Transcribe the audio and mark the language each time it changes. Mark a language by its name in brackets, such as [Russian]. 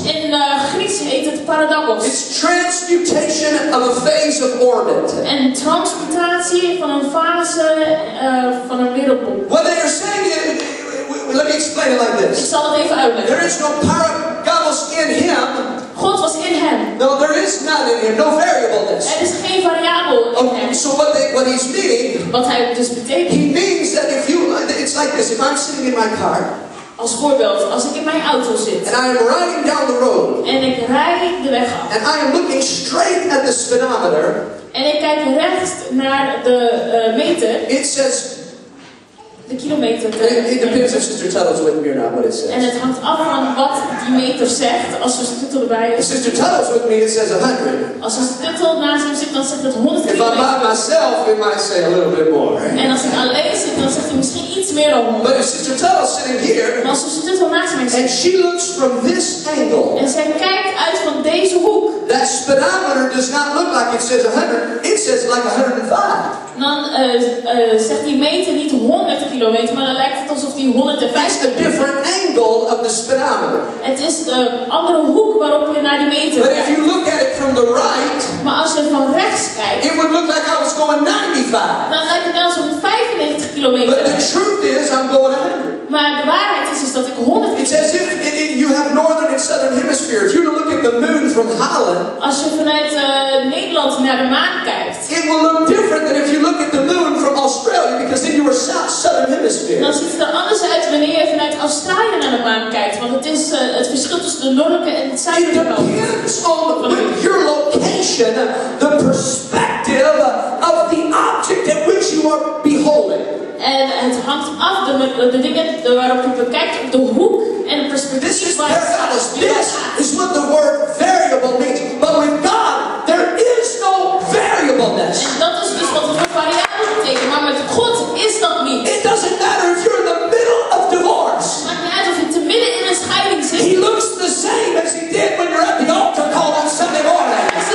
[Dutch] In Grieks heet het paradagos. [English] It's transmutation of a phase of orbit. [Dutch] En transmutatie van een fase van een middelpunt. [English] What they are saying is, let me explain it like this. [Dutch] Ik zal het even uitleggen. [English] There is no paradagos in him. [Dutch] God was in hem. [English] No, there is none in him. No variableness. [Dutch] Er is geen variabel in [English] okay, [Dutch] hem. [English] So what he's meaning? [Dutch] Wat hij dus betekent? [English] He means that if you, it's like this. If I'm sitting in my car. [Dutch] Als voorbeeld, als ik in mijn auto zit. [English] And I am riding down the road. [Dutch] En ik rijd de weg af. [English] And I am looking straight at the speedometer. [Dutch] En ik kijk recht naar de meter. [English] It says. [Dutch] De kilometer. [English] It depends if Sister Tuttle is with me or not, what it says. [Dutch] En het hangt af van wat die meter zegt als Sister Tuttle erbij is. [English] Sister Tuttle is with me, it says 100. [Dutch] Als Sister Tuttle naast me zit, dan zegt het 100 kilometer. [English] If I'm by myself, it might say a little bit more. [Dutch] En als ik alleen zit, dan zegt het misschien iets meer dan 100. [English] But if Sister Tuttle is sitting here. [Dutch] Maar als Sister Tuttle naast me zit. [English] And she looks from this angle. [Dutch] En zij kijkt uit van deze hoek. [English] That speedometer does not look like it says 100. It says like 105. [Dutch] Dan zegt die meter niet 100 kilometer, maar dan lijkt het alsof die 105. [English] That's a different angle of the speedometer. [Dutch] Het is de andere hoek waarop je naar die meter kijkt. [English] But if you look at it from the right, [Dutch] maar als je van rechts kijkt, [English] it would look like I was going 95. [Dutch] Dan lijkt het wel zo'n 95 kilometer. [English] But the truth is, I'm going 100. [Dutch] Maar de waarheid is dat ik 100. [English] It's as if you have northern and southern hemispheres. You're looking at the moon from Holland. [Dutch] Als je vanuit Nederland naar de maan kijkt, [English] it will look different than if you look at the moon from Australia, because then you are southern hemisphere. [Dutch] Dan ziet het er anders uit wanneer je vanuit Australië naar de maan kijkt, want het is het verschil tussen de noordelijke en het zuidelijke. [English] It depends on your location, the perspective of the object at which you are beholding. [Dutch] En het hangt af de dingen waarop je bekijkt, op de hoek en het perspectief. [English] This is paradox. This is what the word variable means. But with God, there is no variableness. [Dutch] En dat is dus wat de woord variabel betekent. Maar met God is dat niet. [English] It doesn't matter if you're in the middle of divorce. [Dutch] Maakt niet uit of je te midden in een scheiding zit. [English] He looks the same as he did when you're at the altar call on Sunday morning.